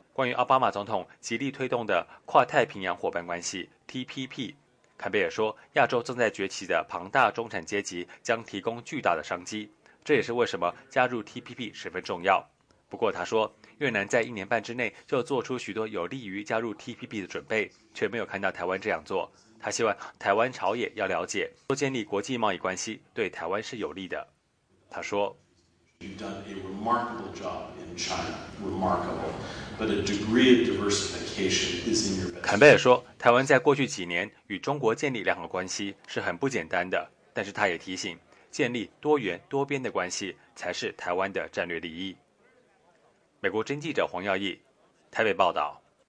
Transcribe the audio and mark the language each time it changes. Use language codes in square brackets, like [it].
[zh] 关于奥巴马总统极力推动的跨太平洋伙伴关系 TPP， 坎贝尔说，亚洲正在崛起的庞大中产阶级将提供巨大的商机，这也是为什么加入 TPP 十分重要。不过他说，越南在一年半之内就做出许多有利于加入 TPP 的准备，却没有看到台湾这样做。他希望台湾朝野要了解，多建立国际贸易关系对台湾是有利的。他说， [en] You've done a remarkable job in China, remarkable, but a degree of diversification is in your best. [zh] 坎贝尔说，台湾在过去几年与中国建立良好关系是很不简单的，但是他也提醒，建立多元多边的关系才是台湾的战略利益。美国之音记者黄耀毅台北报道。